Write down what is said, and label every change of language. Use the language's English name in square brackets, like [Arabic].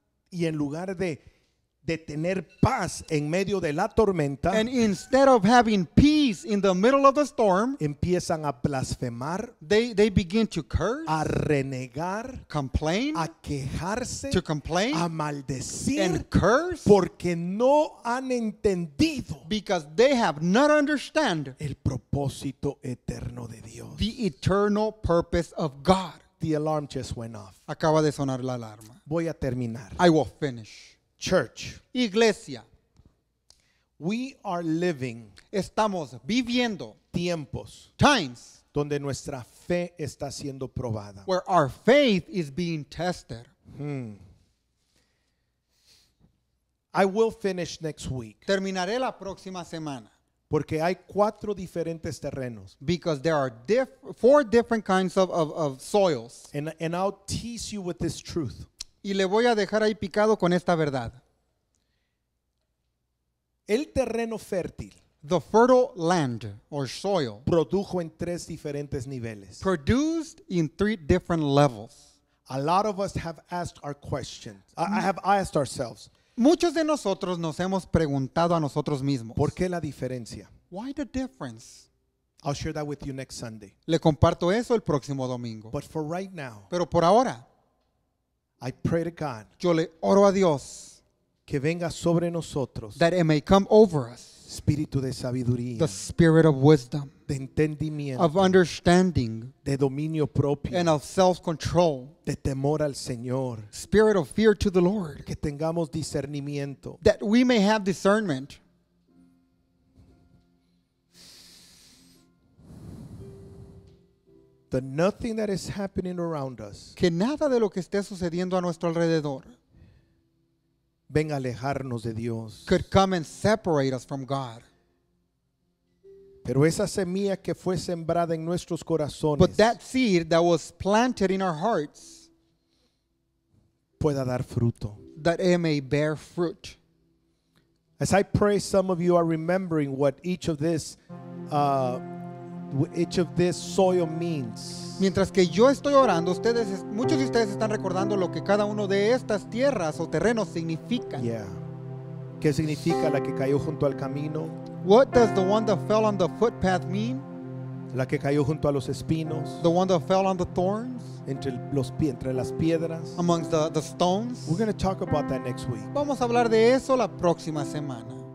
[Spanish] Y en lugar de tener paz en medio de la tormenta. [English] And instead of having peace in the middle of the storm. [Spanish] Empiezan a blasfemar. [English] They begin to curse. [Spanish] A renegar. [English] Complain. [Spanish] A quejarse. [English] To complain. [Spanish] A maldecir. [English] And curse. [Spanish] Porque no han entendido. [English] Because they have not understand. [Spanish] El propósito eterno de Dios. [English] The eternal purpose of God. The alarm just went off. [Spanish] Acaba de sonar la alarma. Voy a terminar. [English] I will finish. Church, [Spanish] iglesia, [English] we are living, [Spanish] estamos viviendo, tiempos, [English] times, [Spanish] donde nuestra fe está siendo probada, [English] where our faith is being tested. I will finish next week. [Spanish] Terminaré la próxima semana. Porque hay cuatro diferentes terrenos. [English] Because there are four different kinds of soils. And I'll tease you with this truth. [Spanish] Y le voy a dejar ahí picado con esta verdad. El terreno fértil, [English] the fertile land or soil, [Spanish] produjo en tres diferentes niveles. [English] Produced in three different levels. A lot of us have asked our questions. I have asked ourselves. [Spanish] Muchos de nosotros nos hemos preguntado a nosotros mismos. ¿Por qué la diferencia? [English] Why the difference? I'll share that with you next Sunday. [Spanish] Le comparto eso el próximo domingo. [English] But for right now. [Spanish] Pero por ahora. [English] I pray to God. [Spanish] Yo le oro a Dios. Que venga sobre nosotros. [English] That it may come over us. [Spanish] Espíritu de sabiduría. [English] The spirit of wisdom. [Spanish] De entendimiento. [English] Of understanding. [Spanish] De dominio propio. [English] And of self-control. [Spanish] De temor al Señor. [English] Spirit of fear to the Lord. [Spanish] Que tengamos discernimiento. [English] That we may have discernment. That nothing that is happening around us. [Spanish] Que nada de lo que esté sucediendo a nuestro alrededor. Venga a alejarnos de Dios. [English] Could come and separate us from God. [Spanish] Pero esa semilla que fue sembrada en nuestros corazones. [English] But that seed that was planted in our hearts. [Spanish] Pueda dar fruto. [English] That it may bear fruit. As I pray, some of you are remembering what each of this each of this soil means. [Spanish] Mientras que yo estoy orando, ustedes, muchos de ustedes están recordando lo que cada uno de estas tierras o terrenos significan. Yeah. ¿Qué significa la que cayó junto al camino? [English] What does the one that fell on the footpath mean? [Spanish] La que cayó junto a los espinos. [English] The one that fell on the thorns. [Spanish] Entre las piedras. [English] Amongst the stones. We're going to talk about that next week. [Spanish] Vamos a hablar de eso la próxima semana.